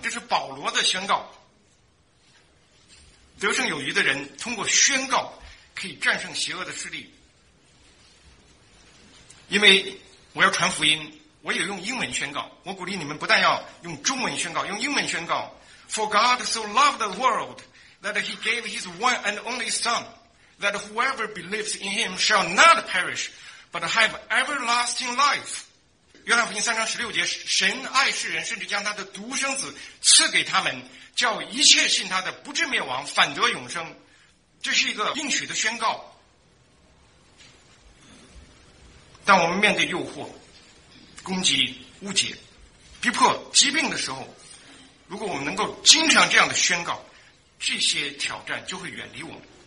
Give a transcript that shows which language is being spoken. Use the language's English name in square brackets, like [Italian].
[Chinese] 这是保罗的宣告。得胜有余的人通过宣告可以战胜邪恶的势力。因为我要传福音，我也用英文宣告，我鼓励你们不但要用中文宣告，用英文宣告。 [English] For God so loved the worldThat he gave his one and only son, that whoever believes in him shall not perish, but have everlasting life. [Chinese] 约翰福音三章十六节，神爱世人，甚至将他的独生子赐给他们，叫一切信他的不至灭亡，反得永生。这是一个应许的宣告。当我们面对诱惑、攻击、误解、逼迫、疾病的时候，如果我们能够经常这样的宣告，这些挑战就会远离我们。